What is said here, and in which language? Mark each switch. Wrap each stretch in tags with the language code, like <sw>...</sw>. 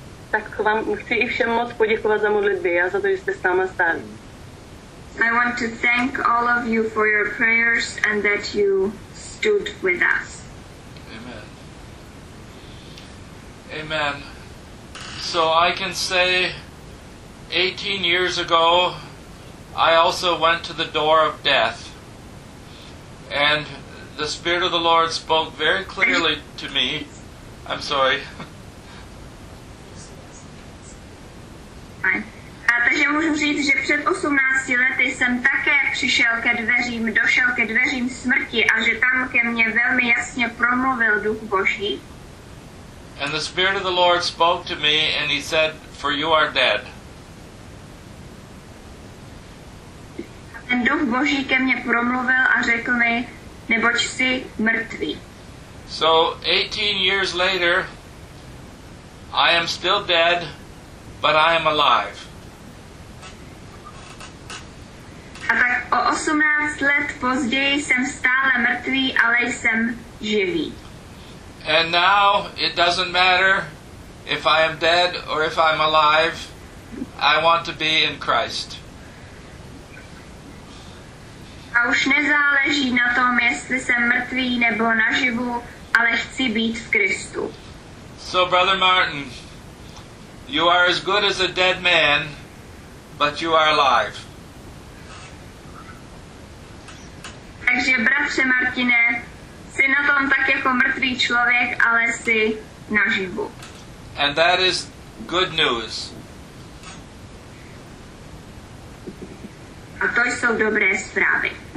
<cs>Tak vám chci i všem moc poděkovat za modlitby a za to, že jste s náma stáli.</cs> <en>I want to thank all of you for your prayers and that you stood with us. Amen. So I can say 18 years ago I also went to the door of death, and the Spirit of the Lord spoke very clearly to me. I'm sorry.</en> <cs>Takže můžu říct, že před 18 lety jsem také přišel ke dveřím, došel ke dveřím smrti a že tam ke mně velmi jasně promluvil Duch Boží.</cs> <en>And the Spirit of the Lord spoke to me and he said, for you are dead.</en> <cs>A ten Duch Boží ke mně promluvil a řekl mi, neboť jsi mrtvý.</cs> <en>So 18 years later, I am still dead, but I am alive.</en> <cs>A tak o 18 let později jsem stále mrtvý, ale jsem živý.</cs> <en>And now it doesn't matter if I am dead or if I'm alive, I want to be in Christ.</en> <cs>A už nezáleží na tom, jestli jsem mrtvý nebo naživu, ale chci být v Kristu.</cs> <en>So, Brother Martin, you are as good as a dead man, but you are alive.</en> <cs>Takže, bratře Martine, jsi na tom tak jako mrtvý člověk, ale jsi naživu.</cs> <en>And that is good news.</en> <cs>A to jsou dobré zprávy.</cs>